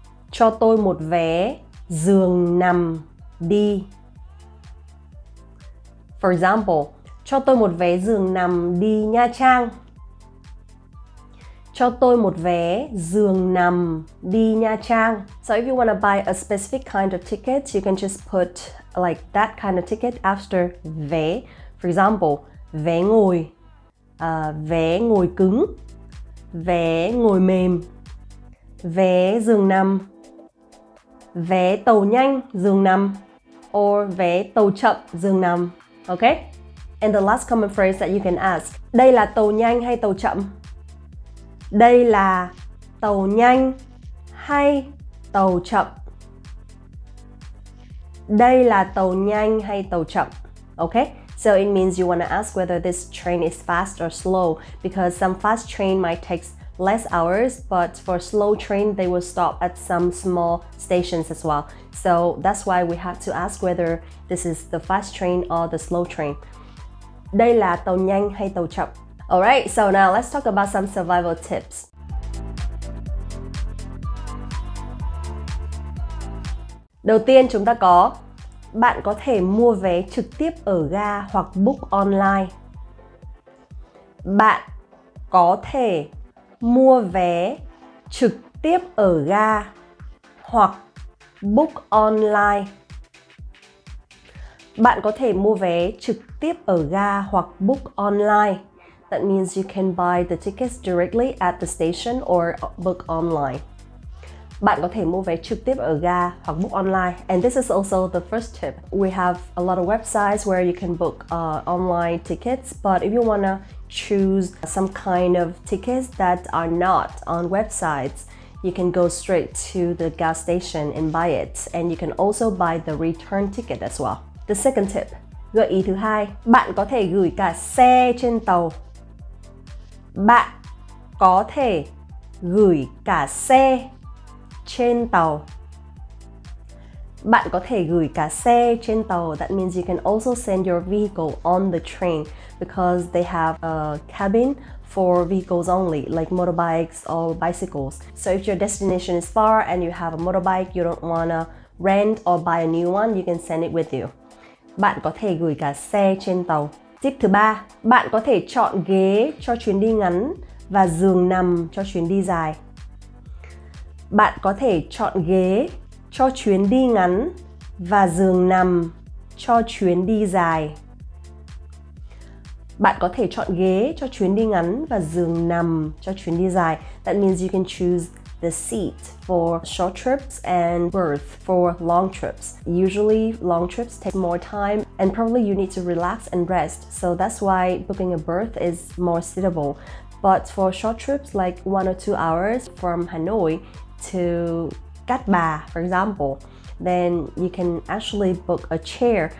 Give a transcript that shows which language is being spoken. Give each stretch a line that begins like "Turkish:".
Vietnamese: Cho tôi một vé giường nằm đi.
English: For example,
Vietnamese: cho tôi một vé giường nằm đi Nha Trang. Cho tôi một vé giường nằm đi Nha Trang.
English: So if you want to buy a specific kind of ticket, you can just put like that kind of ticket after vé. For example,
Vietnamese: vé ngồi, vé ngồi cứng, vé ngồi mềm, vé giường nằm, vé tàu nhanh giường nằm, or vé tàu chậm giường nằm.
English: Okay? And the last common phrase that you can ask,
Vietnamese: đây là tàu nhanh hay tàu chậm? Đây là tàu nhanh hay tàu chậm? Đây là tàu nhanh hay tàu chậm?
English: Okay, so it means you want to ask whether this train is fast or slow, because some fast train might take less hours, but for slow train, they will stop at some small stations as well. So that's why we have to ask whether this is the fast train or the slow train.
Vietnamese: Đây là tàu nhanh hay tàu chậm?
English: Alright, so now let's talk about some survival tips.
Vietnamese: Đầu tiên chúng ta có, bạn có thể mua vé trực tiếp ở ga hoặc book online. Bạn có thể mua vé trực tiếp ở ga hoặc book online. Bạn có thể mua vé trực tiếp ở ga hoặc book online.
English: That means you can buy the tickets directly at the station or book online.
Vietnamese: Bạn có thể mua vé trực tiếp ở ga hoặc book online.
English: And this is also the first tip. We have a lot of websites where you can book online tickets, but if you want to choose some kind of tickets that are not on websites, you can go straight to the gas station and buy it. And you can also buy the return ticket as well. The second tip.
Vietnamese: Gợi ý thứ hai, bạn có thể gửi cả xe trên tàu. Bạn có thể gửi cả xe trên tàu. Bạn có thể gửi cả xe trên tàu.
English: That means you can also send your vehicle on the train because they have a cabin for vehicles only, like motorbikes or bicycles. So if your destination is far and you have a motorbike, you don't wanna rent or buy a new one, you can send it with you.
Vietnamese: Bạn có thể gửi cả xe trên tàu. Tip thứ ba, bạn có thể chọn ghế cho chuyến đi ngắn và giường nằm cho chuyến đi dài. Bạn có thể chọn ghế cho chuyến đi ngắn và giường nằm cho chuyến đi dài. Bạn có thể chọn ghế cho chuyến đi ngắn và giường nằm cho chuyến đi dài.
English: That means you can choose the seat for short trips and berth for long trips. Usually long trips take more time and probably you need to relax and rest. So that's why booking a berth is more suitable. But for short trips like 1 or 2 hours from Hanoi to Cát Bà, for example, then you can actually book a chair.